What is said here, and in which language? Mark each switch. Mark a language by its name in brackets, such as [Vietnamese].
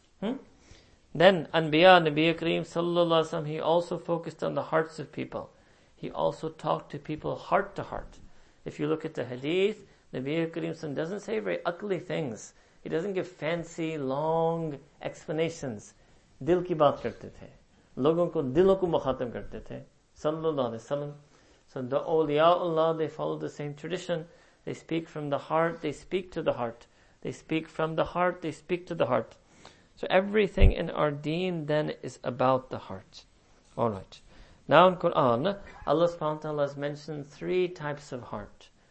[English] Then Anbiya, Nabi Kareem sallallahu alaihi wasallam, he also focused on the hearts of people. He also talked to people heart to heart. If you look at the hadith, Nabi Kareem sallallahu alaihi wasallam doesn't say very ugly things. He doesn't give fancy, long explanations. [Urdu] دل کی بات کرتے تھے۔ لوگوں کو دلوں کو مخاطب کرتے تھے۔ [Arabic] Sallallahu alaihi wasallam. [English] So the awliyaullah, they follow the same tradition. They speak from the heart, they speak to the heart. They speak from the heart, they speak to the heart. So everything in our deen then is about the heart. Alright. Now in Quran, Allah subhanahu wa ta'ala has mentioned three types of heart.